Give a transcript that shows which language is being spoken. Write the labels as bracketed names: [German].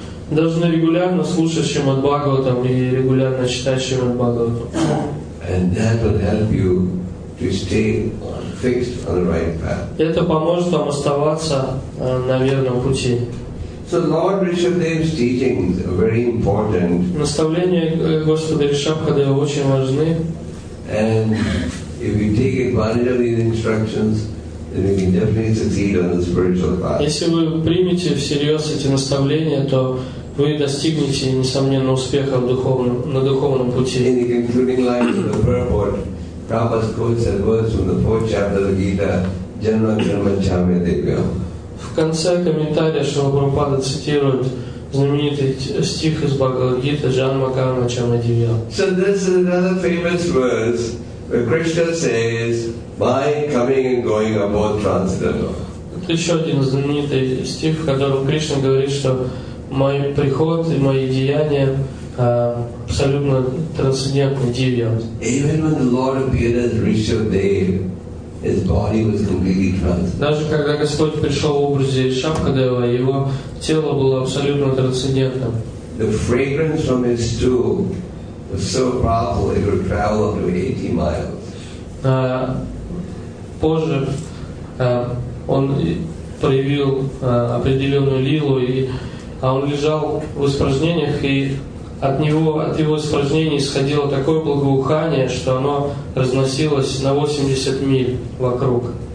[Russian] Должны регулярно слушать Шримад Бхагаватам и регулярно читать Шримад Бхагаватам. [English] And that will help you to stay fixed on the right path. [Russian] Это поможет вам оставаться на верном пути. [English] So Lord Rishabhdev's teachings are very important. [Russian] Наставления Господа Ришабхадева очень важны. [English] And if you take advantage of these instructions, then we can definitely succeed on the spiritual path. [Russian] Если вы примете всерьез эти наставления, то вы достигнете несомненно успеха на духовном пути. [English] In the concluding lines of the purport, Prabhupada quotes a verse from the fourth chapter of the Gita, Janma Karma Charmya Devyam. [Russian] В конце комментария Шрила Прабхупада цитирует знаменитый стих из Бхагавад-гиты Janma Karma Charmya Devyam. [English] So this is another famous verse where Krishna says, my coming and going are both transcendental. [Russian] Это еще один знаменитый стих, в котором Кришна говорит, что мой приход и мои деяния абсолютно трансцендентны, дивьянны. [English] Even when the Lord appeared as Rishabhdev, his body was completely transcendental. [Russian] Даже когда Господь пришел в образе Ришабхадева, его тело было абсолютно трансцендентным. [English] The fragrance from his stool was so powerful it would travel up to 80 miles. [Russian] Позже он проявил определенную лилу, а он лежал в испражнениях, и от него, от его испражнений исходило такое благоухание, что оно разносилось на 80 миль вокруг.